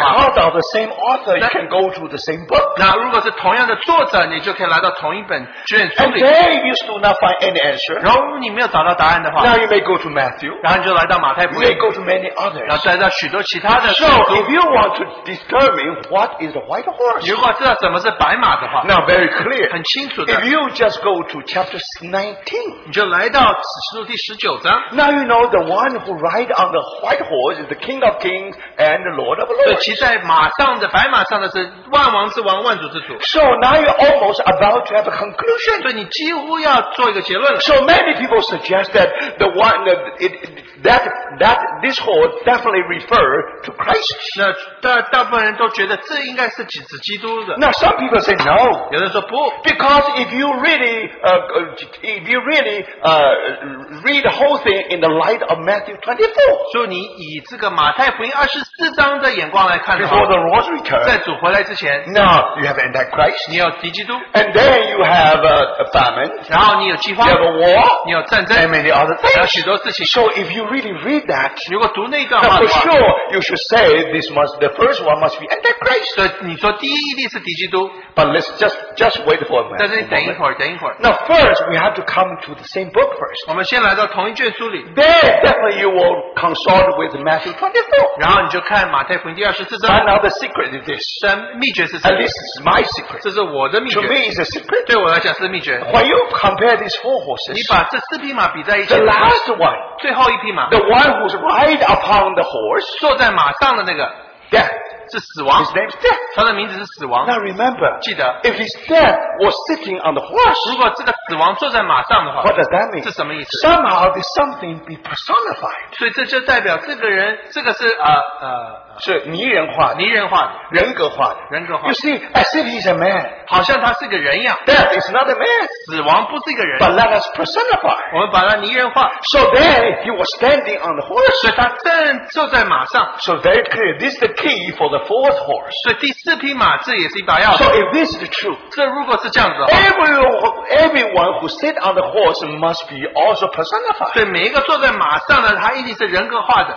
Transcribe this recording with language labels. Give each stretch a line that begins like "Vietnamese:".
English: if you talk about the same author, you can go to the same book.
Chinese: 那如果是同样的作者, 你就可以来到同一本卷书里。
English: And then, if you still not find any answer,
Chinese: 然后你没有找到答案的话,
English: now you may go to Matthew,
Chinese: 然后你就来到马太福音,
English: you may go to many others.
Chinese: 然后再来到许多其他的书,
English: so, if you want to determine what is the white horse,
Chinese: 如果知道什么是白马的话,
English: now very clear,
Chinese: 很清楚的,
English: if you just go to chapter 19,
Chinese: 你就来到使徒第十九章,
English: now you know the one who ride on the white horse is the King of Kings and the Lord of Lords.
Chinese: 骑在马上的白马上的是万王之王万主之主。
English: So now you're almost about to have a conclusion.
Chinese: 对，你几乎要做一个结论了。
English: So many people suggest that the one that this horse definitely refer to Christ.
Chinese: 那大部分人都觉得这应该是指基督的。
English: Now some people say no.
Chinese: 有人说不。
English: Because if you really read the whole thing in the light of Matthew 24.
Chinese: 所以你以这个马太福音24章的眼光来看的话,
English: before the Lord's return,
Chinese: 在主回来之前,
English: now you have Antichrist.
Chinese: 你有敌基督,
English: and then you have a famine.
Chinese: 然后你有饥荒,
English: you have a war.
Chinese: 你有战争,
English: and many other things.
Chinese: 还有许多事情,
English: so if you really read that,
Chinese: 如果读那一段话的话,
English: for sure you should say this must, the first one must be Antichrist.
Chinese: 对,你说第一一定是敌基督,
English: but let's just wait for a minute.
Chinese: 但是你等一会儿,
English: now first we have to come to the same book first.
Chinese: 我们先来到同一卷书里,
English: then definitely you will consult with Matthew 24.
Chinese: 然后你就看马太福音第24章。
English: But now the secret is this.
Chinese: 但秘诀是什么?
English: At least it's my secret.
Chinese: 这是我的秘诀。
English: To me it's a secret.
Chinese: 对我来讲是秘诀。
English: When you compare these four horses,
Chinese: 你把这四匹马比在一起,
English: the last one,
Chinese: 最后一匹马,
English: the one who's ride upon the horse,
Chinese: 坐在马上的那个,
English: death,
Chinese: 是死亡,
English: his name is death.
Chinese: 他的名字是死亡。
English: Now remember,
Chinese: 记得,
English: if his death was sitting on the horse,
Chinese: 如果这个死亡坐在马上的话,
English: what does that mean?
Chinese: 是什么意思?
English: Somehow this something be personified.
Chinese: 所以这就代表这个人, 这个是, 是泥人化的，人格化的。
English: You see, as if he's a man,
Chinese: 好像他是个人一样,
English: death is not a man,
Chinese: 死亡不是一个人,
English: but let us personify,
Chinese: 我们把他泥人化,
English: so then he was standing on the horse,
Chinese: 所以他正坐在马上,
English: so very clear, this is the key for the fourth horse,
Chinese: 所以第四匹马, 这也是一把钥匙,
English: so if this is true,
Chinese: 这如果是这样子的话,
English: everyone who sit on the horse must be also personified,
Chinese: 对每一个坐在马上的, 他一定是人格化的,